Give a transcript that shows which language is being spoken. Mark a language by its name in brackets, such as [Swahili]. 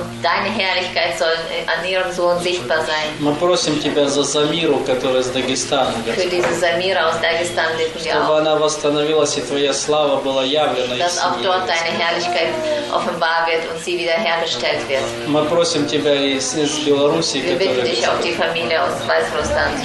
[German] Deine Herrlichkeit soll an ihrem Sohn sichtbar sein. [Russian] Мы просим тебя за Самиру, которая из Дагестана. [German] Für diese Samira aus Dagestan bitten wir auch. [Russian] Чтобы она восстановилась и твоя слава была явлена. [German] Dass auch dort deine Herrlichkeit offenbar wird und sie wiederhergestellt wird. [Russian] Мы просим тебя из Беларуси, [German] wir bitten dich auf die Familie aus Weißrussland.